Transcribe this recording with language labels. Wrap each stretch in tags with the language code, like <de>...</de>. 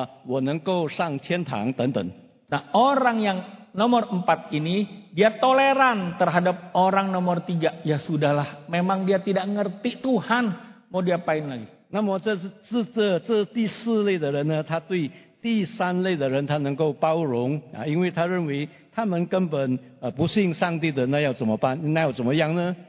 <zh>那么我遵守宗教，我依靠宗教，我因为自己有这个喜乐，不是说希望说我能够上天堂等等。</zh> <id>Nah, orang yang nomor 4 ini dia toleran terhadap orang nomor 3. Ya sudahlah, memang dia tidak ngerti Tuhan, mau diapain lagi.</id> <zh>那么这是这第四类的人呢，他对第三类的人他能够包容啊，因为他认为他们根本不信上帝的，那要怎么办？那要怎么样呢？</zh>